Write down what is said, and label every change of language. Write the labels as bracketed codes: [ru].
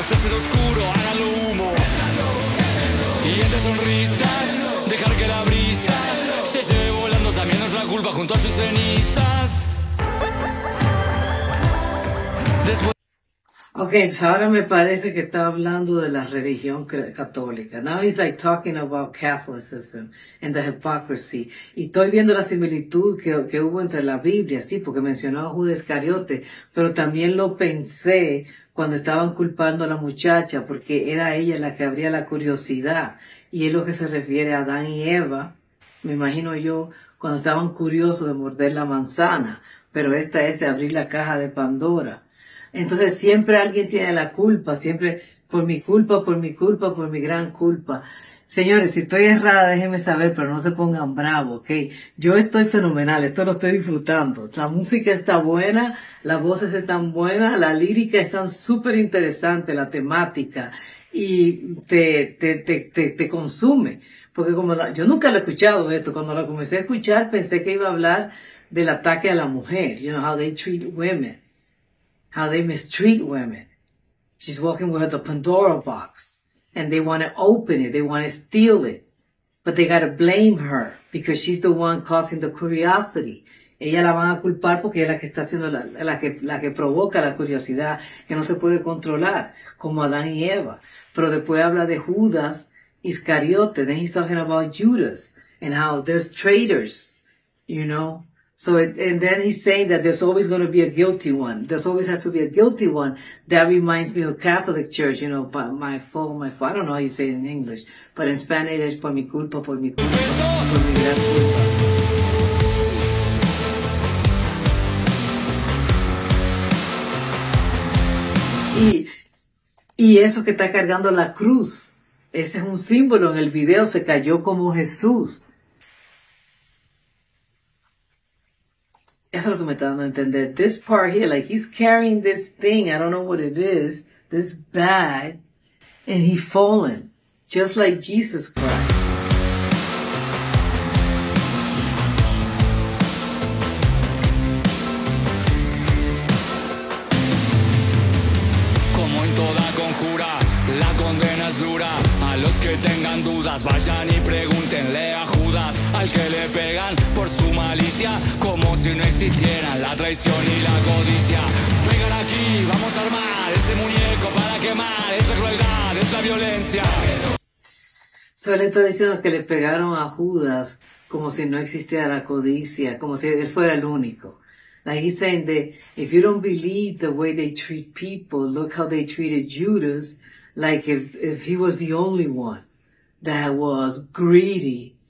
[es] Este es oscuro, háganlo humo. Y entre sonrisas, dejar que la brisa se lleve volando también nuestra culpa junto a sus cenizas. Okay, so ahora me parece que está hablando de la religión católica. [en] Now he's like talking about Catholicism and the hypocrisy. [es] Y estoy viendo la similitud que hubo entre la Biblia, sí, porque mencionó a Judas Iscariote, pero también lo pensé cuando estaban culpando a la muchacha, porque era ella la que abría la curiosidad. Y es lo que se refiere a Adán y Eva, me imagino yo, cuando estaban curiosos de morder la manzana. Pero esta es de abrir la caja de Pandora. Entonces siempre alguien tiene la culpa, siempre por mi culpa, por mi culpa, por mi gran culpa. Señores, si estoy errada, déjenme saber, pero no se pongan bravos, ¿ok? Yo estoy fenomenal, esto lo estoy disfrutando. La música está buena, las voces están buenas, la lírica está súper interesante, la temática, y te consume. Porque como yo nunca lo he escuchado esto, cuando lo comencé a escuchar pensé que iba a hablar del ataque a la mujer, [en] you know, how they treat women. How they mistreat women. She's walking with the Pandora box. And they want to open it. They want to steal it. But they got to blame her. Because she's the one causing the curiosity. [es] Ella la van a culpar porque es la que está haciendo la que provoca la curiosidad. Que no se puede controlar. Como Adán y Eva. Pero después habla de Judas Iscariote. [en] Then he's talking about Judas. And how there's traitors. You know. So, and then he's saying that there's always going to be a guilty one. There's always has to be a guilty one. That reminds me of Catholic Church, you know, but my fault, I don't know how you say it in English, but in Spanish, it's [es] por mi culpa, por mi gran culpa. Y eso que está cargando la cruz, ese es un símbolo en el video, se cayó como Jesús. Eso es lo que me está dando a entender. [en] This part here, like he's carrying this thing, I don't know what it is, this bag, and he's fallen, just like Jesus Christ. [es] Como en toda conjura, la condena es dura. A los que tengan dudas, vayan y pregúntenle a Judas. Al que le pegan por su malicia, como si no existieran la traición y la codicia. Vengan aquí, vamos a armar ese muñeco para quemar esa crueldad, esa violencia. Solo está diciendo que le pegaron a Judas como si no existiera la codicia, como si él fuera el único. [en] Like he's saying that if you don't believe the way they treat people, look how they treated Judas, like if he was the only one that was greedy.